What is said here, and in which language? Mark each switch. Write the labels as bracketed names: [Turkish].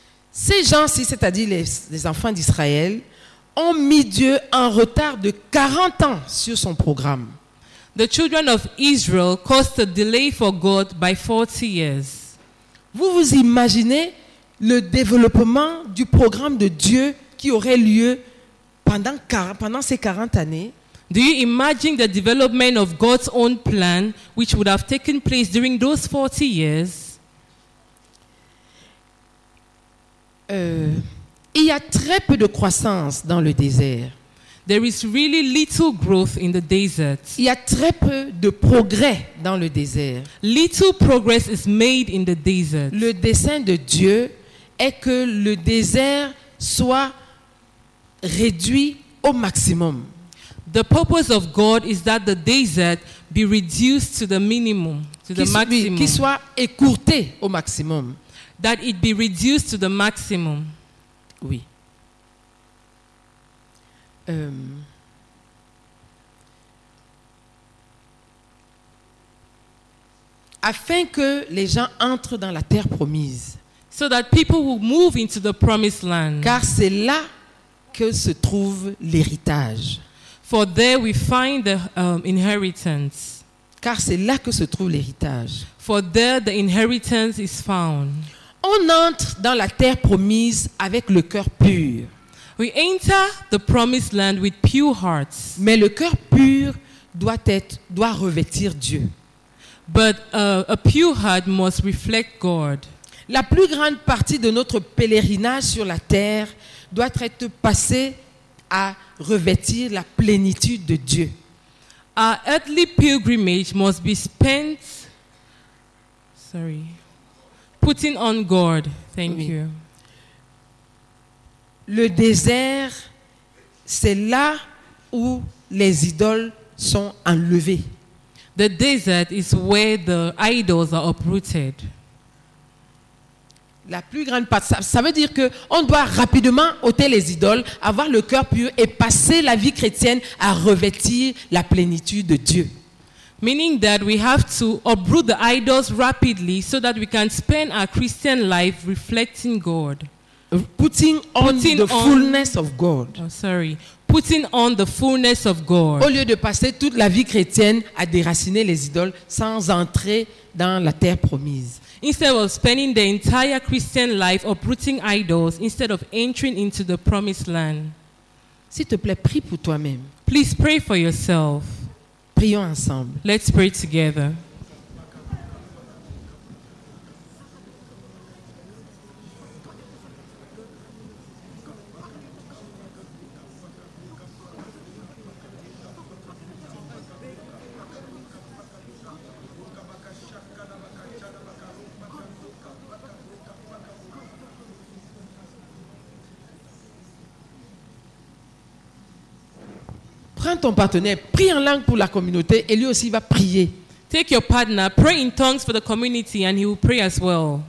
[French] Ces gens-ci, c'est-à-dire les enfants d'Israël, ont mis Dieu en retard de 40 ans sur son programme. [English] The children of Israel caused a delay for God by 40 years. [French] Vous vous imaginez le développement du programme de Dieu qui aurait lieu pendant ces 40 années? [English] Do you imagine the development of God's own plan which would have taken place during those 40 years? [French] Il y a très peu de croissance dans le désert. [English] There is really little growth in the desert. [French] Il y a très peu de progrès dans le désert. [English] Little progress is made in the desert. [French] Le dessein de Dieu est que le désert soit réduit au maximum. [English] The purpose of God is that the desert be reduced to the minimum, to the maximum. [French] Qu'il soit écourté au maximum. [English] That it be reduced to the maximum. [French] Oui. Afin que les gens entrent dans la terre promise. [English] So that people will move into the promised land. [French] Car c'est là que se trouve l'héritage. [English] For there we find the inheritance. [French] Car c'est là que se trouve l'héritage. [English] For there the inheritance is found. [French] On entre dans la terre promise avec le cœur pur. [English] We enter the promised land with pure hearts. [French] Mais le cœur pur doit revêtir Dieu. [English] But a pure heart must reflect God. [French] La plus grande partie de notre pèlerinage sur la terre doit être passée à revêtir la plénitude de Dieu. [English] Our earthly pilgrimage must be spent. Sorry. Putting on God. Thank you. [French] Le désert, c'est là où les idoles sont enlevées. [English] The desert is where the idols are uprooted. [French] La plus grande part, ça veut dire que on doit rapidement ôter les idoles, avoir le cœur pur et passer la vie chrétienne à revêtir la plénitude de Dieu. [English] Meaning that we have to uproot the idols rapidly so that we can spend our Christian life reflecting God. Putting on the fullness of God. [French] Au lieu de passer toute la vie chrétienne à déraciner les idoles sans entrer dans la terre promise. [English] Instead of spending the entire Christian life uprooting idols instead of entering into the promised land. [French] S'il te plaît, prie pour toi-même. [English] Please pray for yourself. [French] Prions ensemble. [English] Let's pray together. [French] Prends ton partenaire, prie en langue pour la communauté et lui aussi va prier. [English] Take your partner, pray in tongues for the community and he will pray as well.